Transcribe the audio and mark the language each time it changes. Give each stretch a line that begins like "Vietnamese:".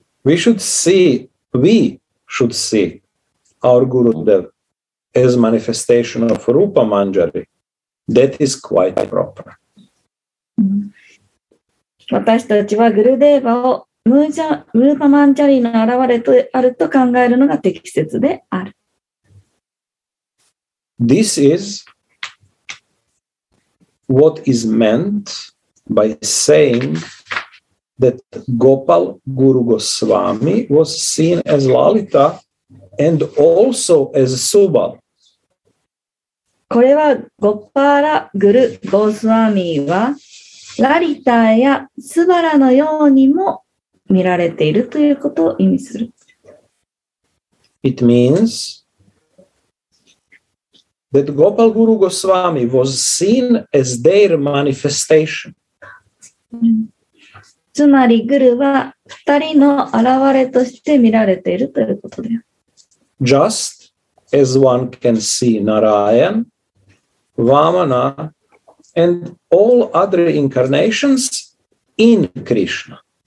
English: We should see our Gurudev as manifestation of Rupa Manjari. That is quite proper.
Japanese: 私たちはグルデーバをムーパマンチャリの現れとあると考えるのが適切である。
English: This is what is meant by saying that Gopal Guru Goswami was seen as Lalita and also as Subal.
Japanese: これはゴパラ・グル・ゴスワミはラリタやスバラのようにも見られているということを意味する。
English: It means that Gopal Guru Goswami was seen as their manifestation.
Japanese: つまりグルは二人の現れとして見られているということです。
English: Just as one can see Narayan, Vamana, and all other incarnations in Krishna.